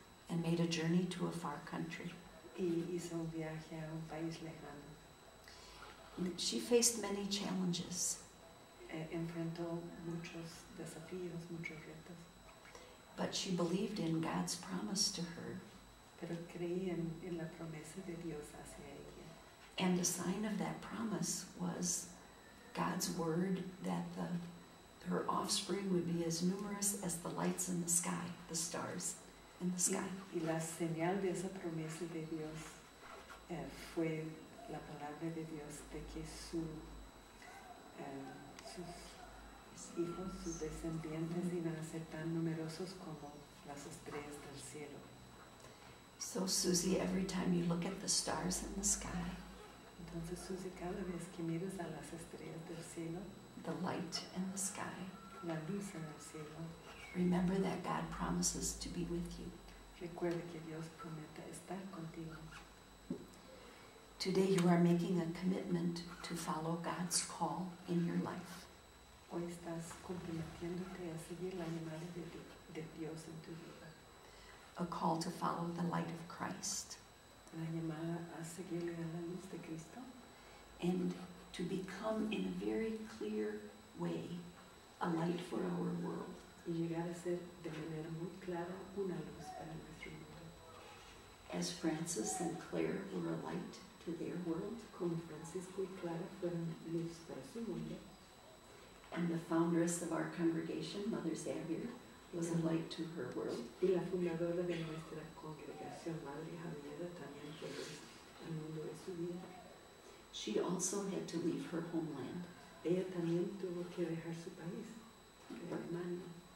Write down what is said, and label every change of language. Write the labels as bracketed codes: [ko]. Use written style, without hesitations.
[en] And made a journey to a far country. [es] Y hizo un viaje a un país lejano. [en] She faced many challenges. [es] Enfrentó muchos desafíos, muchos retos. [en] But she believed in God's promise to her. [es] Pero creí en la promesa de Dios hacia ella. [en] And the sign of that promise was God's word that her offspring would be as numerous as the lights in the sky, the stars in the sky. [es] Y la señal de esa promesa de Dios fue la palabra de Dios de que sus hijos, sus descendientes iban a ser tan numerosos como las estrellas del cielo. [en] So Susie, every time you look at the stars in the sky, [es] entonces Susie, cada vez que miras a las estrellas del cielo, [en] the light in the sky, [es] la luz en el cielo, [en] remember that God promises to be with you. [es] Recuerda que Dios promete estar contigo. [en] Today you are making a commitment to follow God's call in your life. [es] Hoy estás comprometiéndote a seguir la llamada de Dios en tu vida. [en] A call to follow the light of Christ. [es] La llamada a seguirle a la luz de Cristo. [en] And to become in a very clear way a light for our world. [es] Y llegar a ser de manera muy clara una luz para nuestro mundo. [en] As Francis and Claire were a light to their world, [es] como Francisco y Clara fueron luz para su mundo. [en] And the foundress of our congregation, Mother Xavier, was a light to her world. [es] Y la fundadora de nuestra congregación, Madre Javiera, también fue luz al mundo de su vida. [en] She also had to leave her homeland. [es] Ella también tuvo que dejar su país, Alemania.